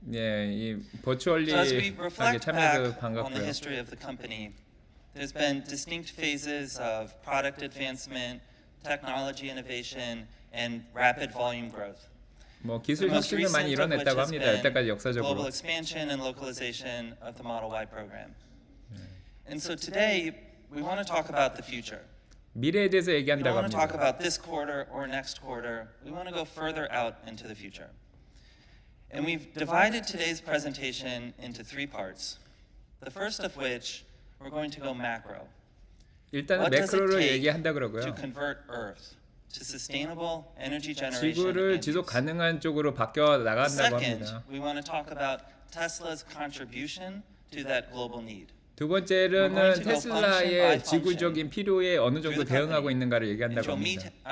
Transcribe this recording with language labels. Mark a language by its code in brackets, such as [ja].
[ko] 예, 이 버추얼리 참여해서 반갑고요. [en] On the history of the company, there's been distinct phases of product advancement, technology innovation, and rapid volume growth. [ko] 뭐 기술 혁신을 많이 이뤄냈다고 합니다. 여태까지 역사적으로. [en] Global expansion and localization of the Model Y program. And so today we want to talk about the future. [ko] 미래에 대해서 얘기한다고 합니다. [en] We want to talk about this quarter or next quarter. We want to go further out into the future. And we've divided today's presentation into three parts. The first of which we're going to go macro. [ko] 일단은 매크로를 얘기한다 그러고요. [en] To convert Earth to sustainable energy generation. [ko] 지구를 지속 가능한 쪽으로 바뀌어 나간다고 합니다. [en] Second, we want to talk about Tesla's contribution to that global need. [ko] 두 번째로는 테슬라의 지구적인 필요에 어느 정도 대응하고 있는가를 얘기한다고 합니다.